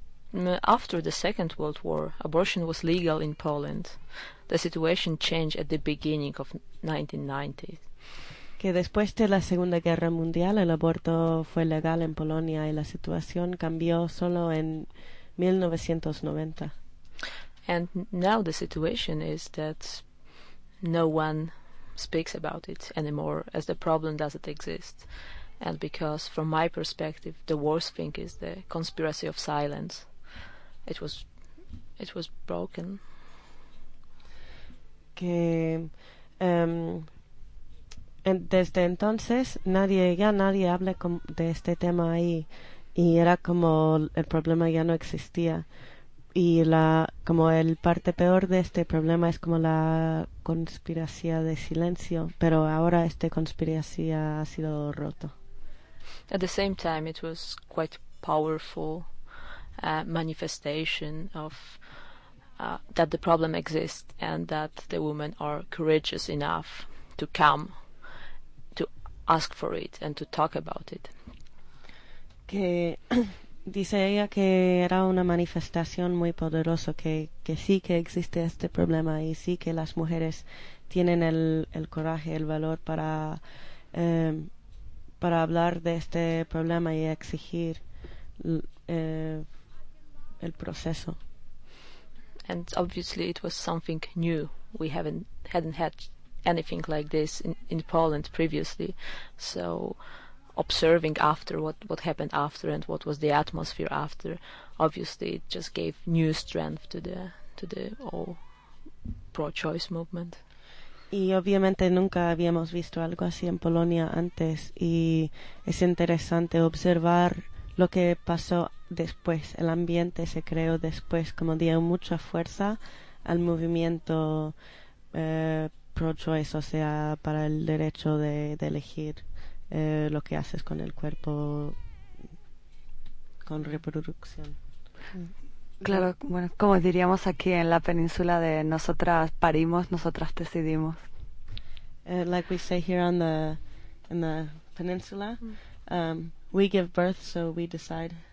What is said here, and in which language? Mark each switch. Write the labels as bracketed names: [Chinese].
[English] After the Second World War, abortion was legal in Poland. The situation changed at the beginning of 1990s. [Spanish] Que después de la Segunda Guerra Mundial el aborto fue legal en Polonia y la situación cambió solo en 1990. [English] And now the situation is that no one speaks about it anymore, as the problem doesn't exist. And because from my perspective the worst thing is the conspiracy of silence. It was broken. [Spanish] Que desde entonces ya nadie habla de este tema ahí, y era como el problema ya no existía, y como el parte peor de este problema es como la conspiración de silencio, pero ahora esta conspiración ha sido roto. [English] At the same time it was quite powerful manifestation of that the problem exists and that the women are courageous enough to come ask for it and to talk about it. [Spanish] Que dice ella que era una manifestación muy poderosa, que sí que existe este problema, y sí que las mujeres tienen el coraje, el valor para hablar de este problema y exigir el proceso. [English] And obviously it was something new. We hadn't had anything like this in Poland previously. So observing after what happened after and what was the atmosphere after, obviously it just gave new strength to the whole pro-choice movement. [Spanish] Y obviamente nunca habíamos visto algo así en Polonia antes, y es interesante observar lo que pasó después. El ambiente se creó después, como dio mucha fuerza al movimiento pro-choice, o sea, para el derecho de elegir lo que haces con el cuerpo, con reproducción. Claro, bueno, como diríamos aquí en la península, de nosotras parimos, nosotras decidimos. [English] Like we say here on the in the peninsula, we give birth, so we decide.